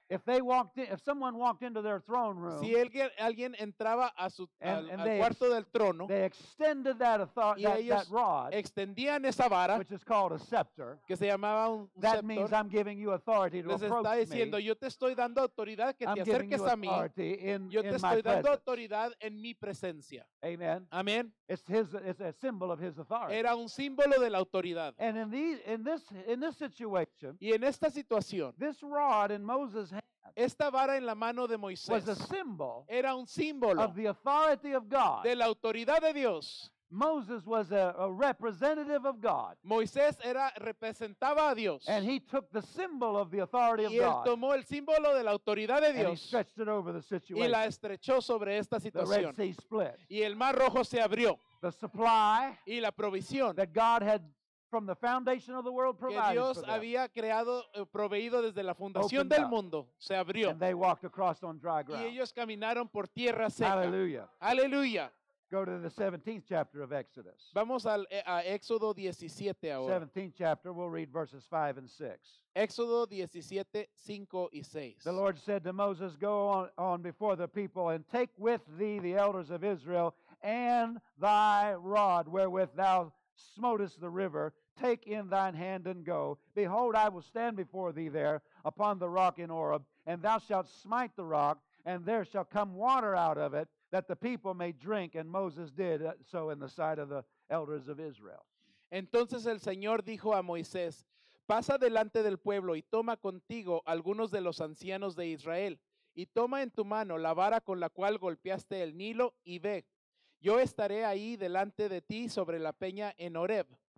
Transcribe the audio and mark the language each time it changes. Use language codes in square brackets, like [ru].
[en] If they walked in, if someone walked into their throne room, [es] si alguien entraba a su al cuarto del trono, [en] they extended that authority, that rod, [es] extendían esa vara, [en] which is called a scepter, [es] que se llamaba un [en] scepter. That means I'm giving you authority to approach me. [es] Les está diciendo, yo te estoy dando autoridad que [en] I'm [es] te acerques a mí. [en] I'm giving you authority in [es] yo te estoy [en] my [es] dando [en] presence. [es] Autoridad en mi presencia. [en] Amen. [es] Amen. [en] It's a symbol of his authority. [es] Era un símbolo de la autoridad. [en] And in this situation, [es] y en esta situación, [en] this rod in Moses' hand. [es] Esta vara en la mano de Moisés [en] was a symbol, [es] era un símbolo [en] of the authority of God, [es] de la autoridad de Dios. [en] Moses was a representative of God. [es] Moisés era representaba a Dios. [en] And he took the symbol of the authority of God. [es] Y él tomó el símbolo de la autoridad de Dios. [en] And he stretched it over the situation. [es] Y la estrechó sobre esta situación. [en] The Red Sea split. [es] Y el Mar Rojo se abrió. [en] The supply. [es] Y la provisión. [en] That God had from the foundation of the world provided. [es] Que Dios había creado, proveído desde la fundación del mundo, se abrió. [en] And they walked across on dry ground. [es] Y ellos caminaron por tierra seca. [en] Hallelujah. [es] Hallelujah. [en] Go to the 17th chapter of Exodus. [es] Vamos al a Éxodo 17 ahora. [en] 17th chapter, we'll read verses 5 and 6. [es] Éxodo 17, 5 y 6. [en] The Lord said to Moses, go on before the people and take with thee the elders of Israel and thy rod wherewith thou smotest the river, take in thine hand and go. Behold, I will stand before thee there upon the rock in Oreb, and thou shalt smite the rock, and there shall come water out of it, that the people may drink. And Moses did so in the sight of the elders of Israel. [es] Entonces el Señor dijo a Moisés, pasa delante del pueblo y toma contigo algunos de los ancianos de Israel, y toma en tu mano la vara con la cual golpeaste el Nilo, y ve. Yo estaré ahí delante de ti sobre la peña en Oreb.